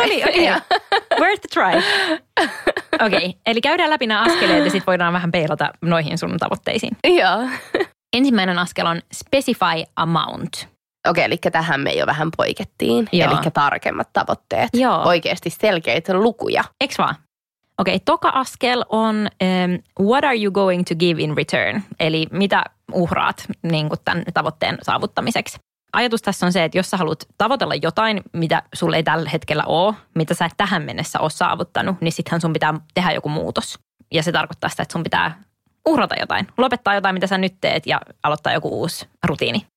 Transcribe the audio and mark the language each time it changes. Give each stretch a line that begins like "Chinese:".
English: Okay. Yeah. Worth a try. Okei, okay.
Finnish: Eli käydään läpi nämä askeleet ja sitten voidaan vähän peilata noihin sun tavoitteisiin. Joo. Ensimmäinen askel on
English: specify amount.
Finnish: Okei, okay, eli tähän me jo vähän poikettiin. Eli tarkemmat tavoitteet. Joo. Oikeasti selkeitä lukuja. Eks vaan? Okei, okay, toka askel on
English: what are you going to give in return?
Finnish: Eli mitä uhraat niin kuin tämän tavoitteen saavuttamiseksi? Ajatus tässä on se, että jos sä haluat tavoitella jotain, mitä sulle ei tällä hetkellä ole, mitä sä et tähän mennessä ole saavuttanut, niin sittenhän sun pitää tehdä joku muutos. Ja se tarkoittaa sitä, että sun pitää uhrata jotain, lopettaa jotain, mitä sä nyt teet ja aloittaa joku uusi rutiini.